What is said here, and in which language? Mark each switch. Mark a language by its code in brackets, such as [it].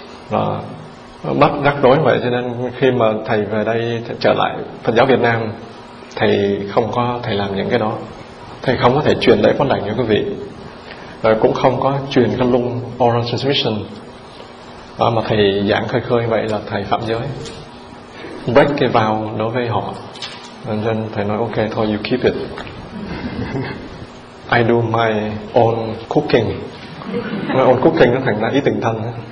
[vi] Đó, bắt rắc rối vậy. Cho nên khi mà thầy về đây trở lại Phật giáo Việt Nam, thầy không có thầy làm những cái đó, thầy không có thể truyền lễ quán đảnh cho quý vị, rồi cũng không có truyền cái lung oral transmission. Đó, mà thầy giảng khơi khơi vậy là thầy phạm giới, break cái vow đối với họ. Nên thầy nói ok thôi, [en] you keep it, I do my own cooking. [vi] Nói own cooking nó thành ra ý tình thân.